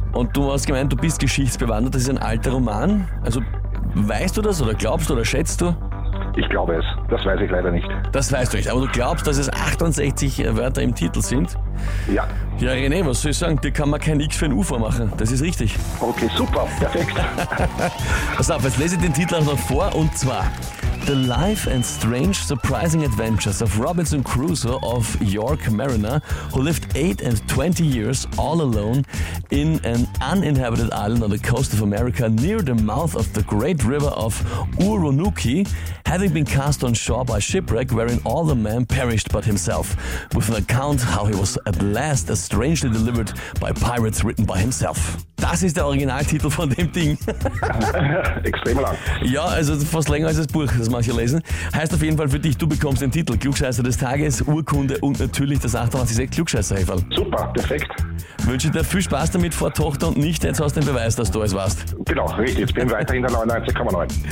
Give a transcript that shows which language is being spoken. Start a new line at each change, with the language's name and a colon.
German: Und du hast gemeint, du bist geschichtsbewandert, das ist ein alter Roman. Also weißt du das oder glaubst du oder schätzt du? Ich glaube es. Das weiß ich leider nicht. Das weißt du nicht. Aber du glaubst, dass es 68 Wörter im Titel sind? Ja. Ja, René, was soll ich sagen? Dir kann man kein X für ein U vormachen. Das ist richtig. Okay, super. Perfekt. Pass auf, jetzt lese ich den Titel auch noch vor. Und zwar,
English: The Life and Strange Surprising Adventures of Robinson Crusoe of York Mariner, who lived 8 and 20 years all alone in an uninhabited island on the coast of America near the mouth of the great river of Uronuki, having been cast on shore by shipwreck wherein all the men perished but himself, with an account how he was at last strangely delivered by pirates written by himself.
German: Das ist der Originaltitel von dem Ding. Extrem lang. Ja, also fast länger als das Buch, das manche lesen. Heißt auf jeden Fall für dich, du bekommst den Titel Klugscheißer des Tages, Urkunde und natürlich das 886 Klugscheißer-Häferl. Super, perfekt. Wünsche dir viel Spaß damit vor Tochter und nicht, jetzt hast du den Beweis, dass du es warst. Genau, richtig. Jetzt bin ich weiterhin der 99,9.